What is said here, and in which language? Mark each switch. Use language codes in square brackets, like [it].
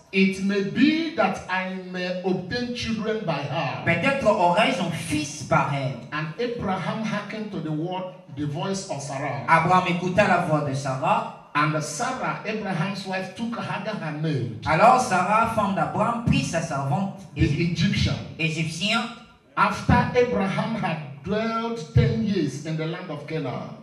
[en] It may be that I may obtain children by her. [fr] Peut-être aurai-je un fils par elle. [en] And Abraham hearkened to the voice of Sarah. [fr] Abraham écouta la voix de Sarah. [en] And Sarah, Abraham's wife, took Hagar her maid. [fr] Alors Sarah, femme d'Abraham, prit sa servante, [en] the Egyptian. [fr] Égyptien. [en] After Abraham had dwelt 10 years in the land of Canaan.